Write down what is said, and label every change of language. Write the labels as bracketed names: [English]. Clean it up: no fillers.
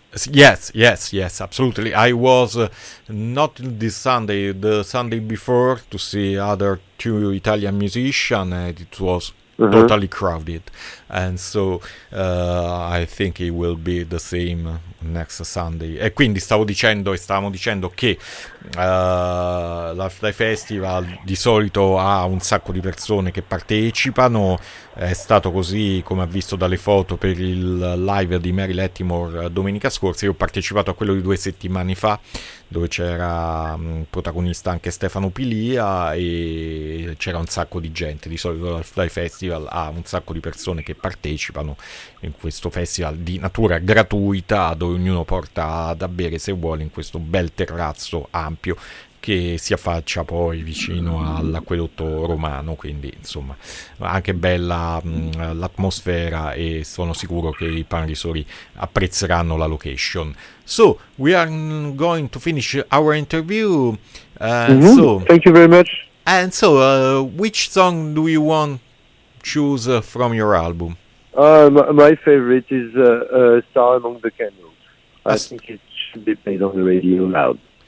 [English] Yes, absolutely. I was not this Sunday, the Sunday before, to see other two Italian musicians, and it was totally crowded. And so I think it will be the same next Sunday. [Italian] E quindi stavo dicendo che l'Afri Festival di solito ha un sacco di persone che partecipano. È stato così, come ha visto dalle foto, per il live di Mary Lattimore domenica scorsa. Io ho partecipato a quello di due settimane fa, dove c'era protagonista anche Stefano Pilia, e c'era un sacco di gente. Di solito il Fly Festival ha un sacco di persone che partecipano in questo festival di natura gratuita, dove ognuno porta da bere se vuole, in questo bel terrazzo ampio che si affaccia poi vicino all'acquedotto romano. Quindi insomma, anche bella l'atmosfera, e sono sicuro che i panrisori apprezzeranno la location. [English] So we are going to finish our interview. So thank you very much. And so which song do you want choose from your album? My favorite is Star Among the Candles. I think it should be played on the radio loud.